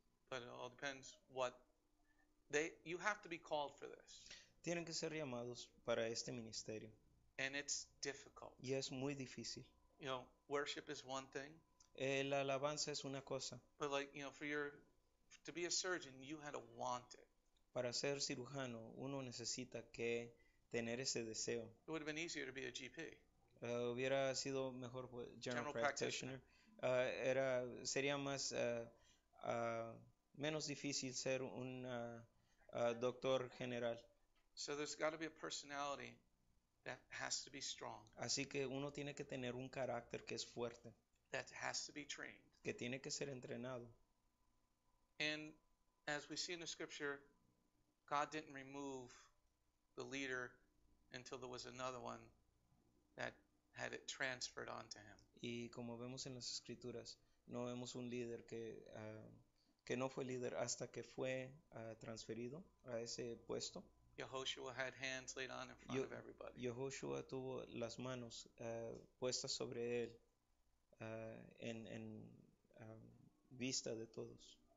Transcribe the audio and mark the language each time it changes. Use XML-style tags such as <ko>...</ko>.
<en>But it all depends what they, you have to be called for this.</en> <es>Tienen que ser llamados para este ministerio.</es> <en>And it's difficult.</en> <es>Y es muy difícil.</es> <en>You know, worship is one thing.</en> <es>La alabanza es una cosa.</es> <en>But like, you know, for your, to be a surgeon, you had to want it.</en> <es>Para ser cirujano, uno necesita que tener ese deseo.</es> <en>It would have been easier to be a GP.</en> <es>Hubiera sido mejor</es> <en>general practitioner.</en> <es>Sería más, menos difícil ser un doctor general.</es> <en>So there's got to be a personality that has to be strong.</en> <es>Así que uno tiene que tener un carácter que es fuerte.</es> <en>That has to be trained.</en> <es>Que tiene que ser entrenado.</es> <en>And as we see in the scripture, God didn't remove the leader until there was another one that had it transferred onto him.</en> <es>Y como vemos en las escrituras, no vemos un líder que no fue líder hasta que fue transferido a ese puesto.</es> <en>Yehoshua had hands laid on in front of everybody.</en> <es>Yehoshua tuvo las manos puestas sobre él vista de todos.</es>